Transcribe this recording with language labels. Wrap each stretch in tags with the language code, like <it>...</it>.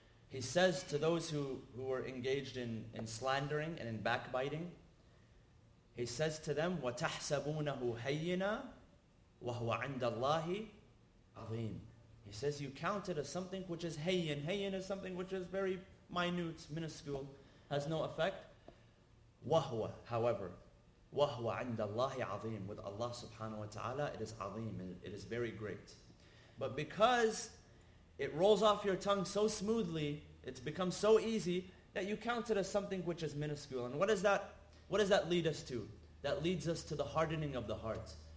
<en>He says to those who are engaged in slandering and in backbiting, he says to them,</en> <ar>وَتَحْسَبُونَهُ هَيِّنًا وَهُوَ عِنْدَ اللَّهِ عَظِيمٌ.</ar> <en>He says, you count it as something which is hayyin. Hayyin is something which is very minute, minuscule, has no effect.</en> <ar>وَهُوَ,</ar> <en>however,</en> <ar>وَهُوَ عِنْدَ اللَّهِ عَظِيمٌ.</ar> <en>With Allah subhanahu wa ta'ala, it is azim, it is very great. But because it rolls off your tongue so smoothly, it's become so easy that you count it as something which is minuscule. And what does that lead us to? That leads us to the hardening of the heart.</en>